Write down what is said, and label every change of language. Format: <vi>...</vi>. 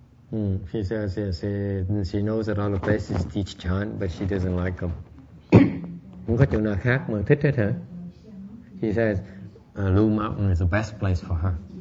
<en>Mm, she says yes, she knows that all the places teach Chan, but she doesn't like them.</en> <vi>Không có chỗ nào khác mà thích hết hả?</vi> <en>She says Lu Mountain is the best place for her.</en>